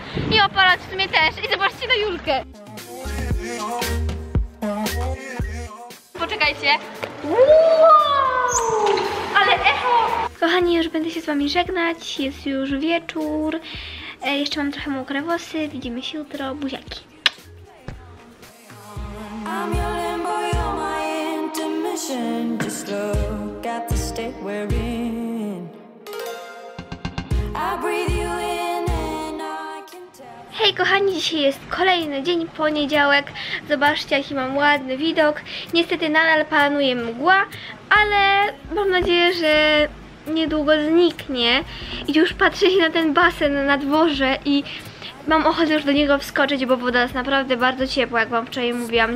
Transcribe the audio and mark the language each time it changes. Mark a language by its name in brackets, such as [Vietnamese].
[Polish] I aparat w sumie też. I zobaczcie na Julkę. Poczekajcie. Wow! Ale echo! Kochani, już będę się z wami żegnać. Jest już wieczór. Jeszcze mam trochę mokre włosy. Widzimy się jutro. Buziaki. [English] I'm your limbo, you're my intermission. Just look at the state we're in. I breathe you in and I can tell. [Polish] Hej kochani, dzisiaj jest kolejny dzień, poniedziałek. Zobaczcie, jaki mam ładny widok. Niestety nadal panuje mgła, ale mam nadzieję, że niedługo zniknie. I już patrzę się na ten basen na dworze i mam ochotę już do niego wskoczyć, bo woda jest naprawdę bardzo ciepła, jak wam wczoraj mówiłam.